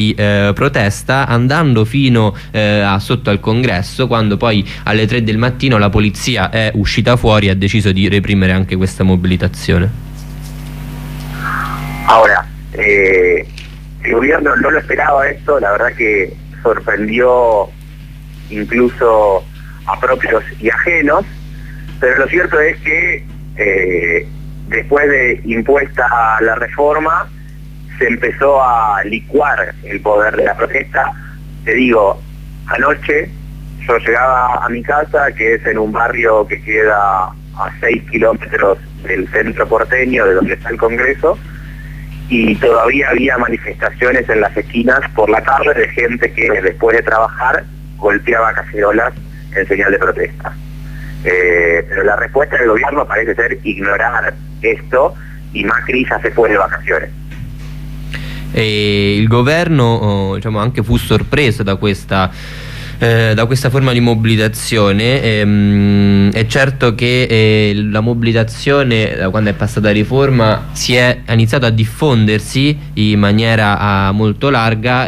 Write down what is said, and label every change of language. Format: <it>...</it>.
<it>di protesta, andando fino a sotto al congresso, quando poi alle 3 del mattino la polizia è uscita fuori e ha deciso di reprimere anche questa mobilitazione. Ora, il</it> <es>gobierno no lo esperaba esto, la verdad que sorprendió incluso a propios y ajenos, pero lo cierto es que después de impuesta la reforma, se empezó a licuar el poder de la protesta. Te digo, anoche yo llegaba a mi casa, que es en un barrio que queda a 6 kilómetros del centro porteño, de donde está el Congreso, y todavía había manifestaciones en las esquinas por la tarde de gente que después de trabajar golpeaba cacerolas en señal de protesta. Pero la respuesta del gobierno parece ser ignorar esto, y Macri ya se fue de vacaciones.</es> <it>E il governo, diciamo, anche fu sorpreso da questa forma di mobilitazione. È certo che la mobilitazione, da quando è passata riforma, si è iniziato a diffondersi in maniera molto larga.</it>